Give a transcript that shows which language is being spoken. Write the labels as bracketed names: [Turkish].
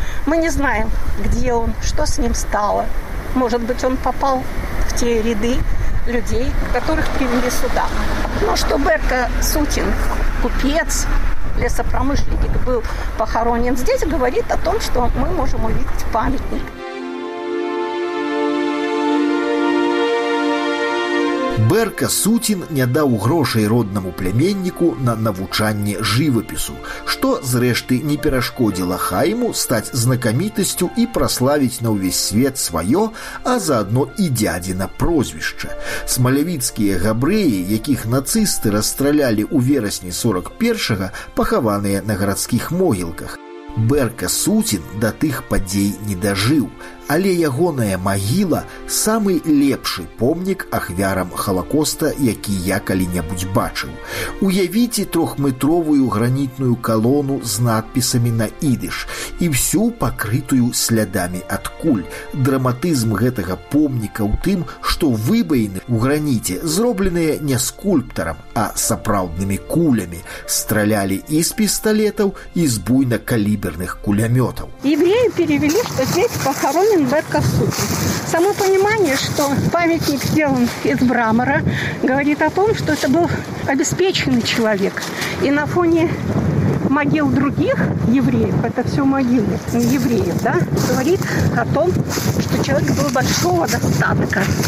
[Russian] Мы не знаем, где он, что с ним стало. Может быть, он попал в те ряды людей, которых привели сюда. Но что Берка Суцин, купец, лесопромышленник, был похоронен здесь, говорит о том, что мы можем увидеть памятник. [Belarusian] Берка Суцін не даў грошай роднаму пляменніку на навучанне жывапісу, што, зрэшты, не перашкодзіла Хайму стаць знакамітасцю і праславіць на ўвесь свет сваё, а заадно і дзядзіна прозвішча. Смалявіцкія габрэі, якіх нацысты расстралялі ў верасні 41-га, пахаваныя на гарадскіх могілках. Берка Суцін да тых падзей не дажыў, але ягоная магіла – самы лепшы помнік ахвярам Халакоста, які я калі-небудзь бачыў. Уявіце трохметровую гранітную калону з надпісамі на ідыш і всю пакрытую слядамі ад куль. Драматызм гэтага помніка ў тым, што выбаіны ў граніце, зробленыя не скульптарам, а сапраўднымі кулямі, стралялі і з пісталетаў, і з буйнакаліберных кулямётаў. Евреі перевелі, што дзець пахароні Берка Суцин. [Russian] Само понимание, что памятник сделан из мрамора, говорит о том, что это был обеспеченный человек. И на фоне могил других евреев, это все могилы евреев, да, говорит о том, что человек был большого достатка.